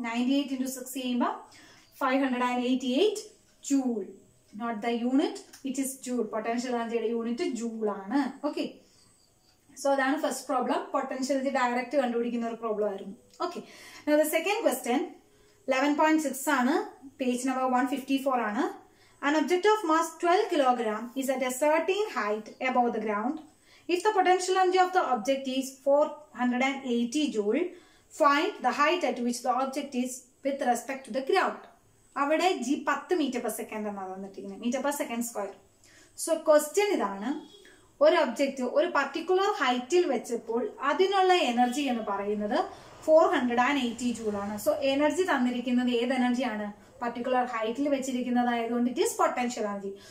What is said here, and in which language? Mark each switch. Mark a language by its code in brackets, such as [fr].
[en] 98 × 6 ചെയ്യുമ്പോൾ 588 joule, note the unit, it is joule. [ml] Potential എനർജിയുടെ unit joule ആണ്. Okay, so അതാണ് first problem, potential energy direct കണ്ടുപിടിക്കുന്ന ഒരു പ്രോബ്ലം ആയിരുന്നു. ഓക്കെ, നൗ സെക്കൻഡ് ക്വസ്റ്റ്യൻ 11.6 ആണ്, പേജ് നമ്പർ 154 ആണ്. [en] An object of mass 12 kg is at a certain height above the ground. If the potential energy of the object is 480 J, find the height at which the object is with respect to the ground. [ml] അവിടെ G 10 m/s എന്നാണ് തന്നിട്ടിരിക്കുന്നത്, m/s². So question ഇതാണ്, ഒരു object ഒരു particular ഹൈറ്റിൽ വെച്ചപ്പോൾ അതിനുള്ള energy എന്ന് പറയുന്നത് 480 J ആണ്. സോ എനർജി തന്നിരിക്കുന്നത് ഏത് എനർജിയാണ്, പർട്ടിക്കുലർ ഹൈറ്റിൽ വെച്ചിരിക്കുന്നത്, ആയതുകൊണ്ട് [en] It is potential energy.